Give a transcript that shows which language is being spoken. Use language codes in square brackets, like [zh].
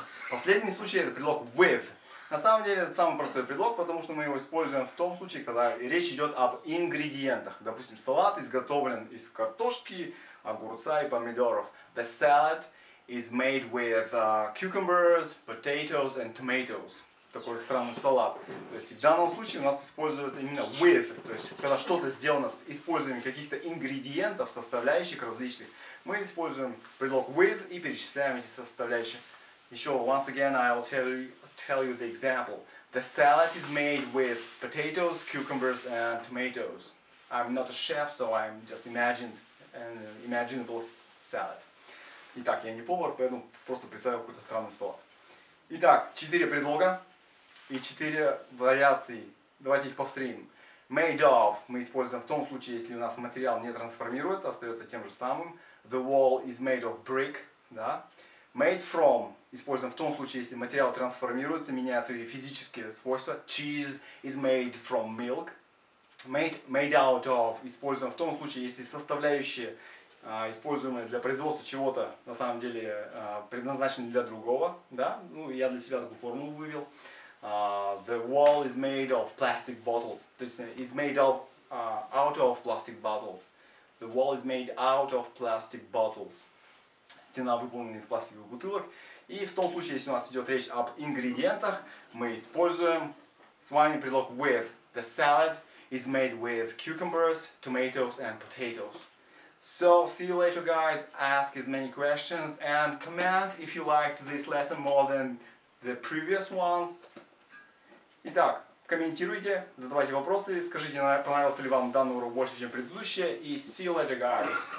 [ru] Последний случай – это предлог with. На самом деле, это самый простой предлог, потому что мы его используем в том случае, когда речь идет об ингредиентах. Допустим, салат изготовлен из картошки, огурца и помидоров. The salad is made with cucumbers, potatoes and tomatoes. Такой странный салат. То есть в данном случае у нас используется именно with. То есть когда что-то сделано с использованием каких-то ингредиентов, составляющих различных, мы используем предлог with и перечисляем эти составляющие. Еще, [en] once again, I'll tell you the example. The salad is made with potatoes, cucumbers, and tomatoes. I'm not a chef, so I'm just imaginable salad. [ru] Итак, я не повар, поэтому просто представил какой-то странный салат. Итак, четыре предлога и четыре вариации. Давайте их повторим. Made of мы используем в том случае, если у нас материал не трансформируется, остается тем же самым. [en] The wall is made of brick. Да? [ru] Made from используем в том случае, если материал трансформируется, меняет свои физические свойства. [en] Cheese is made from milk. [ru] Made out of используем в том случае, если составляющие, используемые для производства чего-то, на самом деле предназначены для другого. Да? Ну, я для себя такую формулу вывел. [en] The wall is made of plastic bottles. [ru] То есть, [en] is made of out of plastic bottles. The wall is made out of plastic bottles. [ru] Стена выполнена из пластиковых бутылок. И в том случае, если у нас идет речь об ингредиентах, мы используем с вами предлог with. [en] The salad is made with cucumbers, tomatoes and potatoes. So, see you later, guys. Ask as many questions and comment if you liked this lesson more than the previous ones. [ru] Итак, комментируйте, задавайте вопросы, скажите, понравился ли вам данный урок больше, чем предыдущий, и [en] see you later, guys.